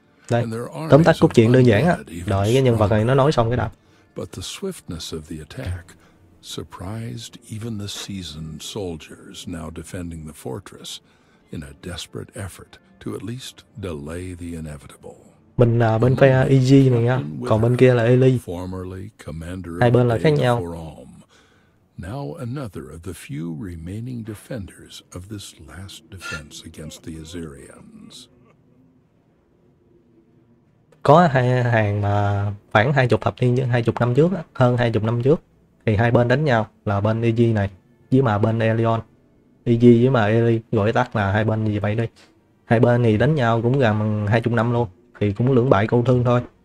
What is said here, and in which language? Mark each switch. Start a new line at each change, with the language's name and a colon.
Vietnamese: Đây, tóm tắt cốt truyện đơn giản á. Đợi cái nhân vật này nó nói xong cái đã.
English: But the swiftness of the attack surprised even the seasoned soldiers now defending the fortress in a desperate effort to at least delay the inevitable.
Vietnamese: Mình là bên phe EG này nha, còn bên kia là Eli.
English: Formerly commander
Vietnamese: Hai bên là khác nhau.
English: now another of the few remaining defenders of this last defense against the Azirians.
Vietnamese: Có hai hàng mà khoảng 20 thập niên 20 năm trước, hơn 20 năm trước thì hai bên đánh nhau là bên EG này với mà bên Elion. EG với mà Eli gọi tắt là hai bên gì vậy đi. Hai bên thì đánh nhau cũng gần 20 năm luôn thì cũng lưỡng bại câu thương thôi.